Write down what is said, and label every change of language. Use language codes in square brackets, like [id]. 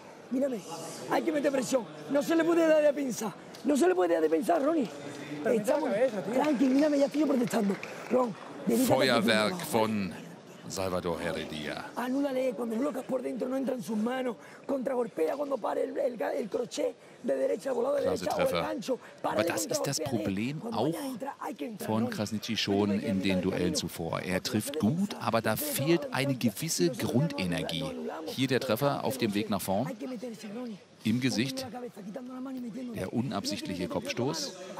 [es] Mírame, hay que meter presión. No se le puede dar de pensar. No se le puede dar de pensar, Ronnie. Tranqui, mírame, ya estoy protestando. Ron, [de] Feuerwerk von Salvador Heredia. [es] Anúlale, cuando bloqueas por dentro no entra en sus manos. Contragolpea cuando pare el crochet de derecha, volado de derecha, o el gancho. [de] Aber das ist das Problem auch von Krasniqi schon in den Duellen zuvor. Er trifft gut, aber da fehlt eine gewisse Grundenergie. Hier der Treffer auf dem Weg nach vorn. Im Gesicht. Der unabsichtliche Kopfstoß.